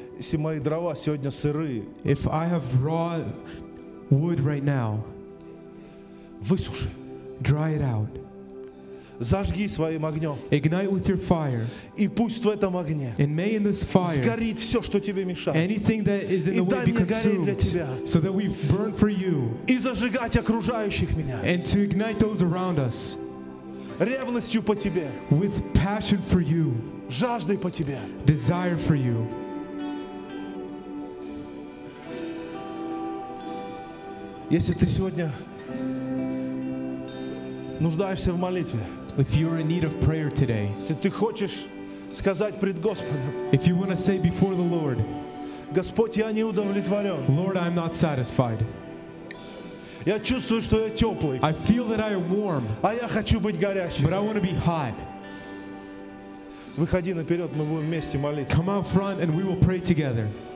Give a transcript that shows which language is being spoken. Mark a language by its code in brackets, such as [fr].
[ru] Если мои дрова сегодня сырые. [en] If I have raw wood right now. [ru] Высуши. [en] Dry it out. [ru] Зажги своим огнем. [en] Ignite with your fire. [ru] И пусть в этом огне. [en] And may in this fire. [ru] Сгорит все, что тебе мешает. [en] Anything that is in the way be consumed. So that we burn for you. [ru] И зажигать окружающих меня. [en] And to ignite those around us. [ru] Ревностью по тебе. [en] With passion for you. [ru] Жажды по тебе. [en] Desire for you. [ru] Если ты сегодня нуждаешься в молитве. [en] If you're in need of prayer today. [ru] Если ты хочешь сказать пред Господом. [en] If you want to say before the Lord. [ru] Господь, я не удовлетворен. [en] Lord, I'm not satisfied. [ru] Я чувствую, что я теплый. [en] I feel that I am warm. [ru] А я хочу быть горячим. [en] But I want to be hot. [ru] Выходи наперед, мы будем вместе молиться. [en] Come out front and we will pray together.